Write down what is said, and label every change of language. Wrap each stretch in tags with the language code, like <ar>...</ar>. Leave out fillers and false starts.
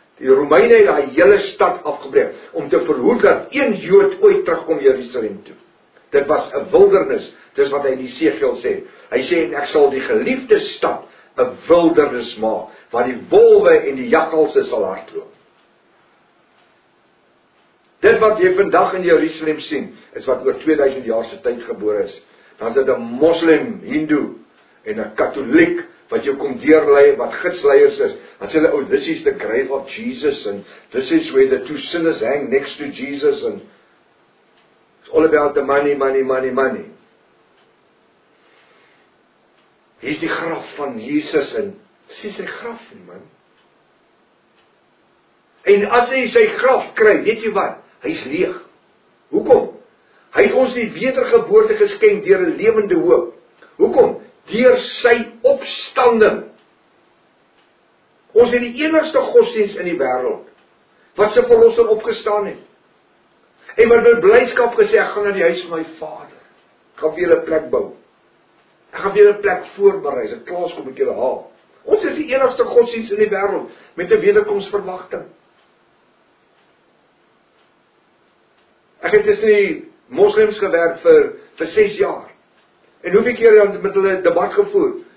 <af>Die Romeine het daai hele stad afgebreek om te verhoed dat een Jood ooit terugkom Jerusalem toe. Dit was 'n wildernis, dis wat hy in Jesegiel sê. Hy sê ek sal die geliefde stad 'n wildernis maak waar die wolwe en die jakkalse sal hardloop. Dit wat jy vandag in Jerusalem sien, is wat oor 2000 jaar se tyd gebore is. Dan's dit 'n moslim, hindu en 'n katoliek wat jou kom deurlei wat gidsleiers is. Dan sê hulle,</af> <en>oh, this is the grave of Jesus and this is where the two sinners hang next to Jesus and it's all about the money, money, money, money.</en> <af>hier is die graf van Jesus en sien sy graf nie, man. En as hy sy graf kry, weet jy wat? Hy is leeg. Hoekom? Hy het ons die wedergeboorte geskenk deur 'n lewende hoop. Hoekom? Deur sy opstanding. Ons het die enigste godsdienst in die wêreld wat sy verlosser opgestaan het. En wat met blydskap gesê, ek gaan na die huis van my vader. Ek gaan vir julle 'n plek bou. Ek gaan vir julle 'n plek voorberei, as ek klaar kom ek julle haal. Ons is die enigste godsdienst in die wêreld met 'n wederkomsverwagting. Ek het tussen die moslems gewerk vir 6 jaar. En hoeveel keer het met hulle debat gevoer?</af>